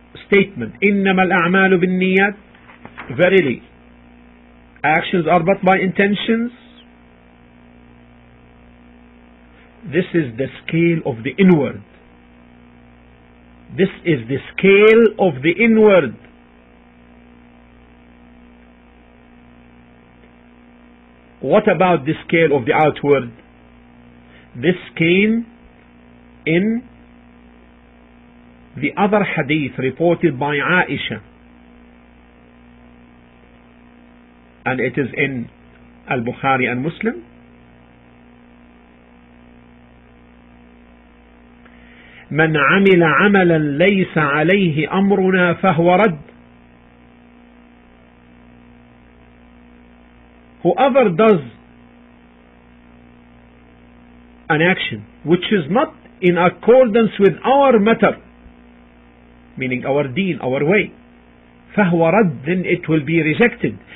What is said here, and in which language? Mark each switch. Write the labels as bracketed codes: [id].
[ar] statement, إِنَّمَا الْأَعْمَالُ بِالنِّيَّةِ. [en] Verily, actions are but by intentions. This is the scale of the inward. This is the scale of the inward. What about the scale of the outward? This came in the other hadith reported by Aisha, and it is in Al-Bukhari and Muslim. [ar] من عمل عملا ليس عليه أمرنا فهو رد. [en] Whoever does an action which is not in accordance with our matter, meaning our deen, our way, [ar] فهو رد, [en] then it will be rejected.